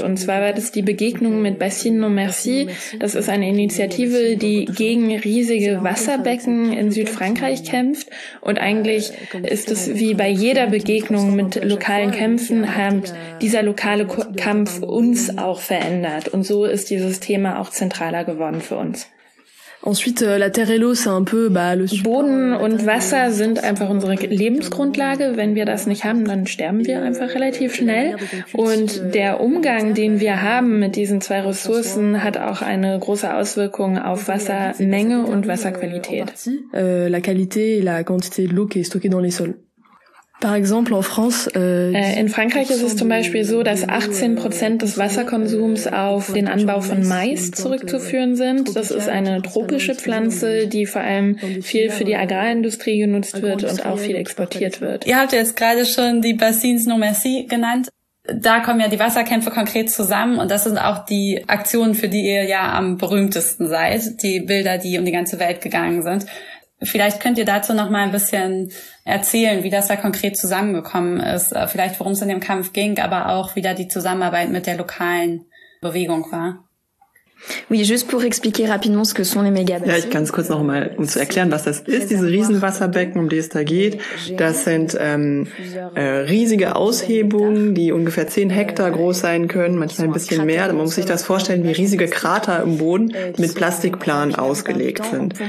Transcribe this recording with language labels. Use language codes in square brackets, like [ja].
[de] Und zwar war das die Begegnung mit Bassin No Merci. Das ist eine Initiative, die gegen riesige Wasserbecken in Südfrankreich kämpft. Und eigentlich ist es wie bei jeder Begegnung mit lokalen Kämpfen, hat dieser lokale Kampf uns auch verändert. Und so ist dieses Thema auch zentraler geworden für uns. [fr] Ensuite, la terre et l'eau, c'est un peu, bah, le super. [de] Boden und Wasser sind einfach unsere Lebensgrundlage. Wenn wir das nicht haben, dann sterben wir einfach relativ schnell. Und der Umgang, den wir haben mit diesen zwei Ressourcen, hat auch eine große Auswirkung auf Wassermenge und Wasserqualität. [fr] La qualité et la quantité de l'eau qui est stockée dans les sols. Par exemple, en France, [de] in Frankreich ist es zum Beispiel so, dass 18% des Wasserkonsums auf den Anbau von Mais zurückzuführen sind. Das ist eine tropische Pflanze, die vor allem viel für die Agrarindustrie genutzt wird und auch viel exportiert wird. Ihr habt jetzt gerade schon die Bassins No Merci genannt. Da kommen ja die Wasserkämpfe konkret zusammen und das sind auch die Aktionen, für die ihr ja am berühmtesten seid. Die Bilder, die um die ganze Welt gegangen sind. Vielleicht könnt ihr dazu noch mal ein bisschen erzählen, wie das da konkret zusammengekommen ist. Vielleicht, worum es in dem Kampf ging, aber auch, wie da die Zusammenarbeit mit der lokalen Bewegung war. [fr] Oui, juste pour expliquer rapidement ce que sont les mégabassins. [de] Ja, ich kann es kurz noch mal, um zu erklären, was das ist, diese Riesenwasserbecken, um die es da geht. Das sind riesige Aushebungen, die ungefähr 10 Hektar groß sein können, manchmal ein bisschen mehr. Man muss sich das vorstellen, wie riesige Krater im Boden mit Plastikplanen ausgelegt sind.